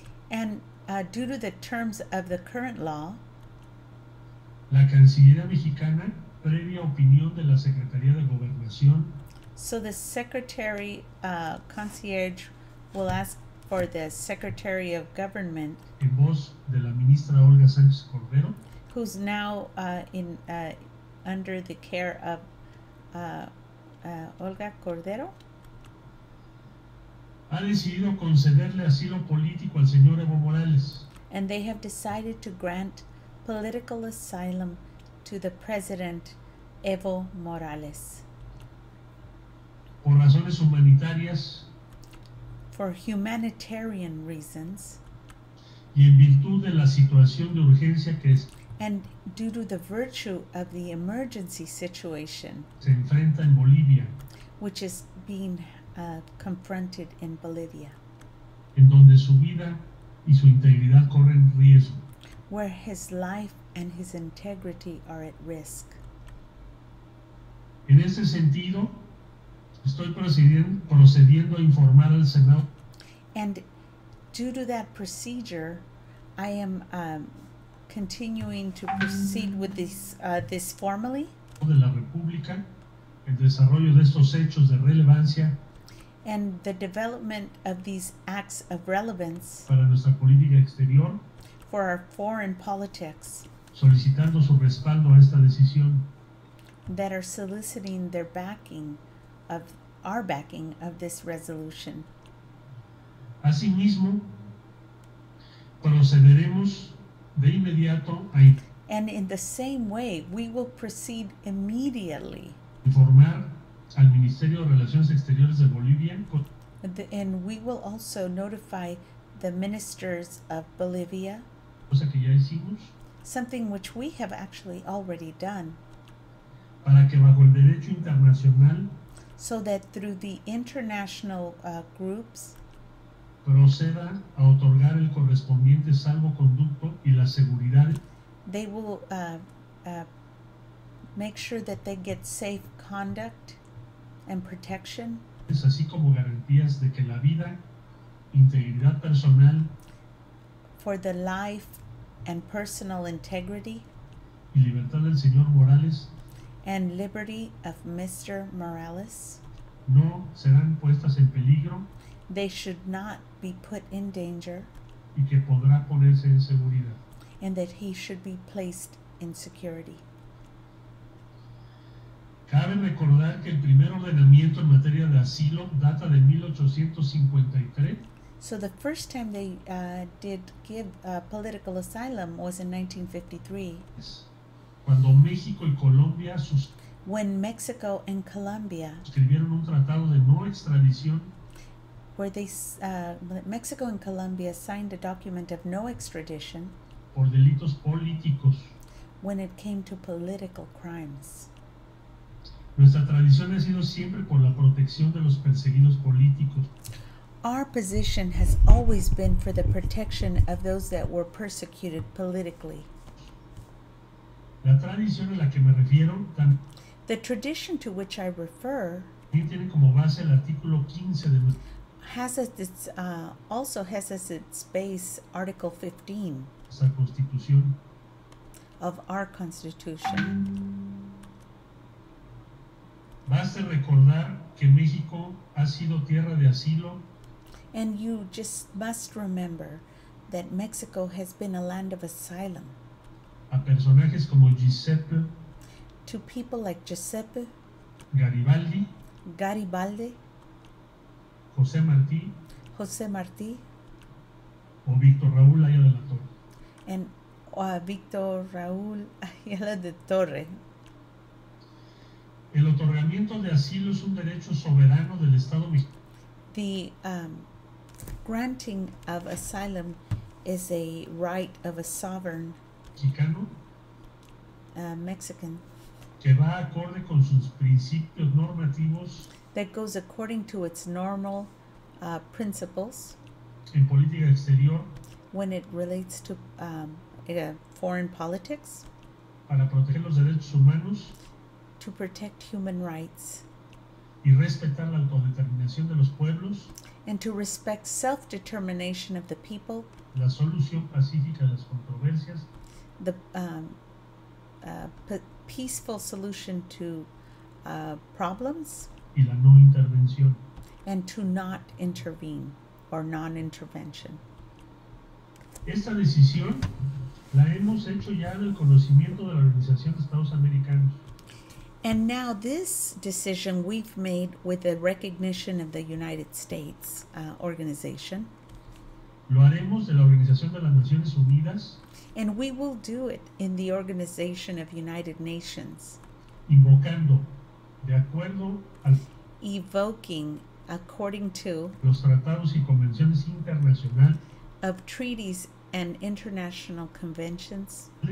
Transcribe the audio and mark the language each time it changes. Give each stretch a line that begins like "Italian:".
English: and due to the terms of the current law,
Spanish: la cancillería mexicana, previa opinión de la Secretaría de Gobernación,
English: so the secretary, concierge, will ask for the Secretary of Government,
Spanish: en voz de la ministra Olga Sánchez Cordero,
English: who's now under the care of Olga Cordero,
Spanish: ha decidido concederle asilo político al señor Evo Morales.
English: And they have decided to grant political asylum to the president Evo Morales.
Spanish: Por razones humanitarias,
English: for humanitarian reasons,
Spanish: y en virtud de la situación de urgencia que es,
English: and due to the virtue of the emergency situation,
Spanish: se enfrenta en Bolivia,
English: which is being confronted in Bolivia,
Spanish: en donde su vida y su integridad corren riesgo,
English: where his life and his integrity are at risk.
Spanish: En ese sentido, estoy procediendo a informar al Senado.
English: And due to that procedure, I am continuing to proceed with this formally.
Spanish: De la República, el desarrollo de estos hechos de relevancia,
English: and the development of these acts of relevance,
Spanish: para nuestra política exterior,
English: for our foreign politics,
Spanish: solicitando su respaldo a esta decisión,
English: that are soliciting their backing of our backing of this resolution.
Spanish: Asimismo, procederemos de inmediato a,
English: and in the same way, we will proceed immediately,
Spanish: informar al Ministerio de Relaciones Exteriores de Bolivia,
English: and we will also notify the ministers of Bolivia,
Spanish: cosa que ya hicimos,
English: something which we have actually already done,
Spanish: para que bajo el derecho internacional,
English: so that through the international groups,
Spanish: proceda a otorgar el correspondiente salvoconducto y la seguridad,
English: they will make sure that they get safe conduct and protection,
Spanish: es así como garantías de que la vida, integridad personal,
English: for the life and personal integrity,
Spanish: y libertad del señor Morales,
English: and liberty of Mr. Morales,
Spanish: no serán puestas en peligro,
English: they should not be put in danger,
Spanish: y que podrá ponerse en seguridad,
English: and that he should be placed in security.
Spanish: Cabe recordar que el primer ordenamiento en materia de asilo data de 1853.
English: So the first time they did give political asylum was in 1953.
Spanish: Cuando México y Colombia
English: when Mexico and Colombia
Spanish: suscribieron un tratado de no extradición,
English: where they Mexico and Colombia signed a document of no extradition,
Spanish: por delitos políticos,
English: when it came to political crimes.
Spanish: Nuestra tradición ha sido siempre por la protección de los perseguidos políticos.
English: Our position has always been for the protection of those that were persecuted politically.
Spanish: La tradición a la que me refiero,
English: the tradition to which I refer,
Spanish: tiene como base el artículo 15 de nuestro,
English: has as its also has as its base Article 15
Spanish: nuestra constitución,
English: of our constitution.
Spanish: Basta recordar que México ha sido tierra de asilo,
English: and you just must remember that Mexico has been a land of asylum,
Spanish: a personajes como Giuseppe,
English: to people like Giuseppe Garibaldi, José Martí,
Spanish: o Víctor Raúl Ayala de la Torre,
English: and Víctor Raúl Ayala de Torre.
Spanish: El otorgamiento de asilo es un derecho soberano del Estado mexicano.
English: The granting of asylum is a right of a sovereign
Spanish: mexicano,
English: Mexican,
Spanish: que va acorde con sus principios normativos,
English: that goes according to its normal principles,
Spanish: en política exterior,
English: when it relates to foreign politics,
Spanish: para proteger los derechos humanos,
English: to protect human rights,
Spanish: y respetar la autodeterminación de los pueblos,
English: and to respect self-determination of the people,
Spanish: la solución pacífica de las controversias,
English: the peaceful solution to problems,
Spanish: y la no intervención,
English: and to not intervene or non-intervention.
Spanish: Esta decisión la hemos hecho ya del conocimiento de la Organización de Estados Americanos.
English: And now this decision we've made with the recognition of the United States organization.
Spanish: Lo haremos de la Organización de las Naciones Unidas.
English: And we will do it in the Organization of United Nations.
Spanish: Invocando de acuerdo al
English: evoking according to
Spanish: los tratados y convenciones internacionales
English: of treaties and international conventions,